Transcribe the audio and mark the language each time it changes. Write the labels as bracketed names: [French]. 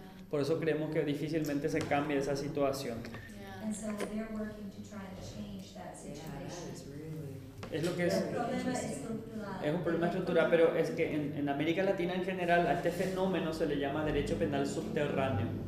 [Spanish] Por eso creemos que difícilmente se cambie esa situación. [English] And so they're working to try and change that situation. [Spanish] Es lo que es un problema estructural, pero es que en América Latina en general a este fenómeno se le llama derecho penal subterráneo.